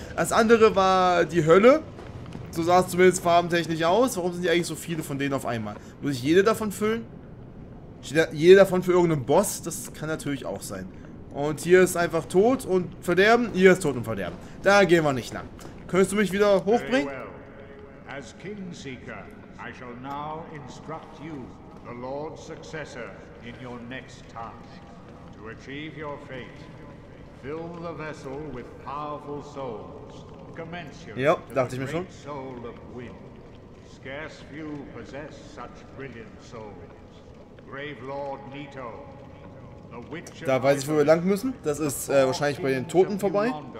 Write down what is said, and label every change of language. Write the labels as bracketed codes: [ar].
[de] Das andere war die Hölle. So sah es zumindest farbentechnisch aus. Warum sind die eigentlich so viele von denen auf einmal? Muss ich jede davon füllen? Steht da jede davon für irgendeinen Boss? Das kann natürlich auch sein. Und hier ist einfach Tod und Verderben. Hier ist Tod und Verderben. Da gehen wir nicht lang. Könntest du mich wieder hochbringen? [en] Very well. As Kingseeker, I shall now instruct you, the Lord's successor, in your next task. To achieve your fate, fill the vessel with powerful souls. Commence your [de] yep, dachte ich mir schon. [en] Soul of wind. Scarce few possess such brilliant souls. Grave Lord Nito, [de] da weiß ich, wo wir lang müssen. Das ist wahrscheinlich bei den Toten vorbei.